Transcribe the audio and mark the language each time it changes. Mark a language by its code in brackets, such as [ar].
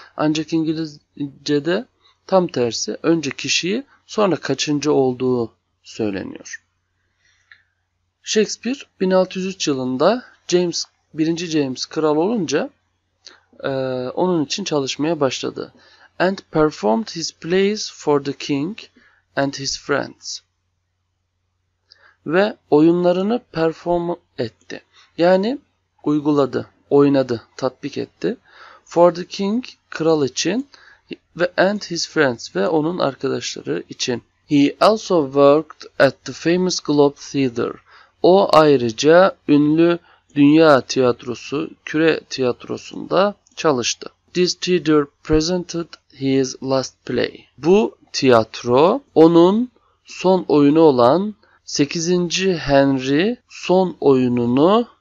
[tr] Ancak İngilizce'de tam tersi. Önce kişiyi, sonra kaçıncı olduğu söyleniyor. Shakespeare 1603 yılında James, birinci James kral olunca onun için çalışmaya başladı. [en] And performed his plays for the king and his friends. [tr] Ve oyunlarını perform etti. Yani uyguladı, oynadı, tatbik etti. [en] For the king, [tr] kral için. Ve [en] and his friends, [tr] ve onun arkadaşları için. [en] He also worked at the famous Globe Theatre. [tr] O ayrıca ünlü dünya tiyatrosu, küre tiyatrosunda çalıştı. [en] This theater presented his last play. [tr] Bu tiyatro onun son oyunu olan 8. Henry son oyununu